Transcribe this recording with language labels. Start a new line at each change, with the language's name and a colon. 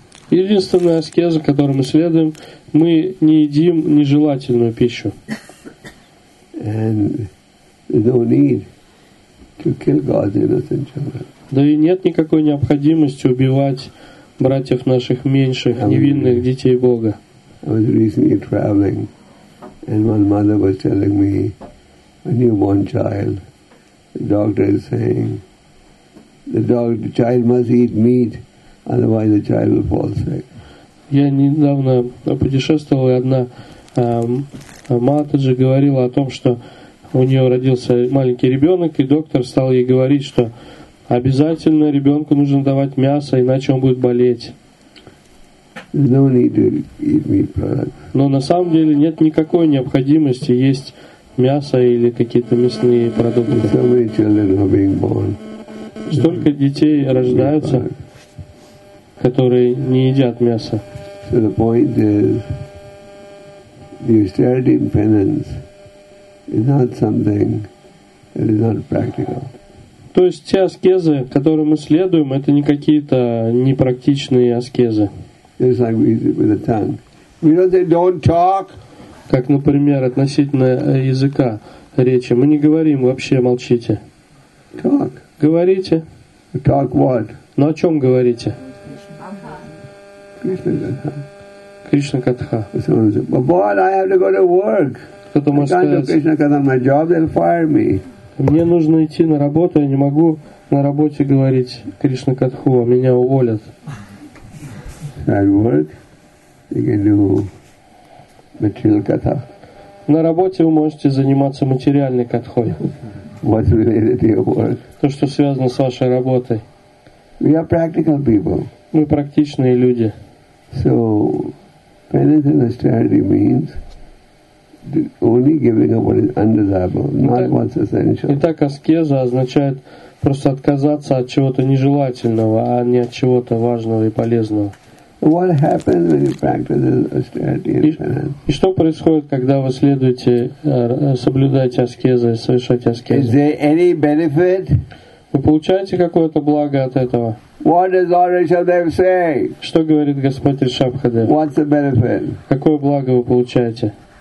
Russian: Единственная аскеза, которую мы следуем, мы не едим нежелательную пищу. Да и нет никакой необходимости убивать братьев наших меньших, невинных детей Бога.
English: I was recently traveling, and one mother was telling me, a newborn child, the doctor is saying, the child must eat meat, otherwise the child will fall sick.
Russian: Я недавно путешествовал, и одна матаджи говорила о том, что у нее родился маленький ребенок, и доктор стал ей говорить, что обязательно ребенку нужно давать мясо, иначе он будет болеть.
English: There's no need to eat meat products.
Russian: Но на самом деле нет никакой необходимости есть мясо или какие-то мясные продукты.
English: So many children are being born.
Russian: Столько детей рождаются, которые не едят мясо.
English: So the point is, the austerity and penance is not something that is not practical.
Russian: То есть те аскезы, которые мы следуем, это не какие-то непрактичные аскезы.
English: It's like we do with the tongue. We don't say don't talk.
Russian: Как, например, относительно языка речи. Мы не говорим вообще молчите.
English: Talk.
Russian: Говорите.
English: Talk what?
Russian: Ну о чем говорите?
English: Krishna Katha. Krishna Katha. Someone says, but boy, I have to go to work.
Russian: Кто-то может сказать.
English: I can't do Krishna Katha on my job, they'll fire me.
Russian: Мне нужно идти на работу, я не могу на работе говорить Krishna Katha, а меня уволят.
English: At work, you can do material katha.
Russian: На работе вы можете заниматься материальной катхой.
English: What's related to your work?
Russian: То, что связано с вашей работой.
English: We are practical people.
Russian: Мы практичные люди.
English: So, penance and austerity means only giving up what is undesirable, not what's essential.
Russian: Итак, аскеза означает просто отказаться от чего-то нежелательного, а не от чего-то важного и полезного.
English: What happens when you practice austerity and penance?
Russian: И что происходит, когда вы следуете, соблюдаете аскезы, совершаете аскезы?
English: Is there any benefit?
Russian: Вы получаете какое-то благо от этого?
English: What does Lord Rishabhadev say?
Russian: Что говорит Господь Ришабхадев?
English: What's the benefit?
Russian: Какое благо вы получаете?